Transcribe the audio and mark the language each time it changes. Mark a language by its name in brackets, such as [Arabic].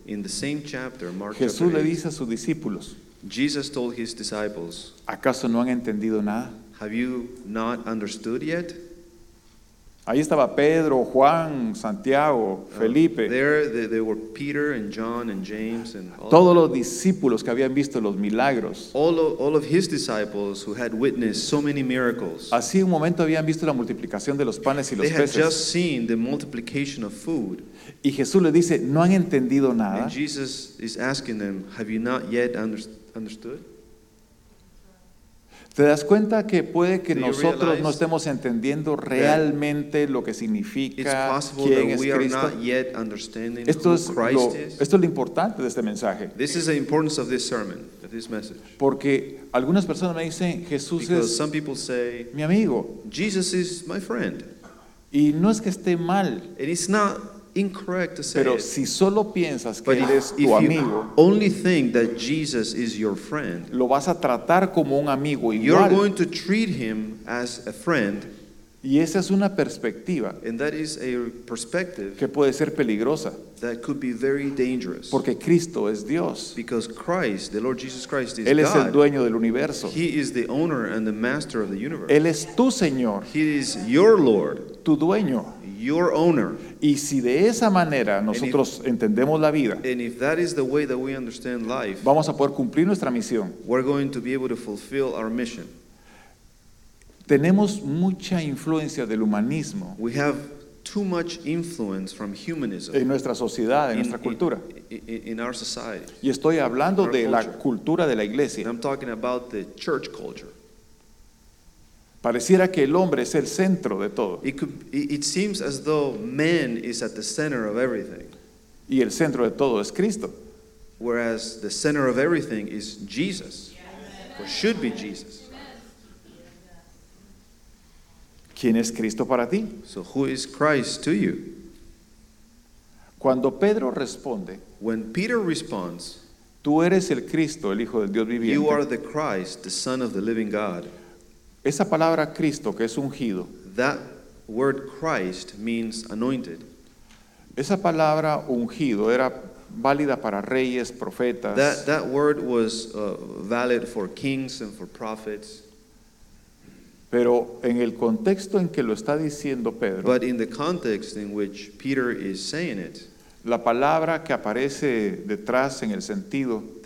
[English] in the same chapter, Mark [Spanish] Jesús [English] chapter [Spanish] 8, le dice a sus discípulos, [English] Jesus told his disciples, [Spanish] ¿acaso no han entendido nada? [English] Have you not understood yet? [Spanish] Ahí estaba Pedro, Juan, Santiago, Felipe. [English] There they were Peter and John and James and all [Spanish] todos los discípulos que habían visto los milagros. [English] All of his disciples who had witnessed so many miracles. [Spanish] Así un momento habían visto la multiplicación de los panes y los peces. [English] They had just seen the multiplication of food. [Spanish] Y Jesús le dice, no han entendido nada. [English] And Jesus is asking them, have you not yet understood? [Spanish] ¿Te das cuenta que puede que nosotros no estemos entendiendo realmente lo que significa quién es Cristo? Esto es lo importante de este mensaje. [English] This is the importance of this sermon, of this message. [Spanish] Porque algunas personas me dicen, Jesús es [English] some people say, [Spanish] mi amigo. [English] Jesus is my friend. [Spanish] Y no es que esté mal. [English] And it's not incorrect to say [Spanish] pero [English] it. [Spanish] Si solo piensas que él es tu amigo, [English] only think that Jesus is your friend, [Spanish] lo vas a tratar como un amigo igual. [English] You're going to treat him as a friend, [Spanish] y esa es una perspectiva, [English] and that is a perspective [Spanish] que puede ser peligrosa, [English] that could be very dangerous, [Spanish] porque Cristo es Dios, [English] because Christ, the Lord Jesus Christ, is [Spanish] él es [English] God. [Spanish] El dueño del universo. [English] He is the owner and the master of the universe. [Spanish] Él es tu señor. [English] He is your Lord. [Spanish] Tu dueño. [English] Your owner. [Spanish] Y si de esa manera nosotros entendemos la vida, [English] and if that is the way that we understand life, [Spanish] vamos a poder cumplir nuestra misión. [English] We're going to be able to fulfill our mission. [Spanish] Tenemos mucha influencia del humanismo. [English] We have too much influence from humanism. [Spanish] En nuestra sociedad, en nuestra cultura. [English] In our society. [Spanish] Y estoy hablando de la cultura de la iglesia. [English] And I'm talking about the church culture. [Spanish] Pareciera que el hombre es el centro de todo. [English] It seems as though man is at the center of everything. [Spanish] Y el centro de todo es Cristo. [English] Whereas the center of everything is Jesus. Or should be Jesus. [Spanish] ¿Quién es Cristo para ti? [English] So who is Christ to you? [Spanish] Cuando Pedro responde, [English] when Peter responds, [Spanish] tú eres el Cristo, el Hijo del Dios viviente. [English] You are the Christ, the Son of the living God. [Spanish] Esa palabra Cristo, que es ungido. [English] That word Christ means anointed. [Spanish] Esa palabra ungido era válida para reyes, profetas. [English] That word was valid for kings and for prophets. [Spanish] Pero en el contexto en que lo está diciendo Pedro. [English] But in the context in which Peter is saying it. [Spanish] La palabra que aparece detrás en el sentido.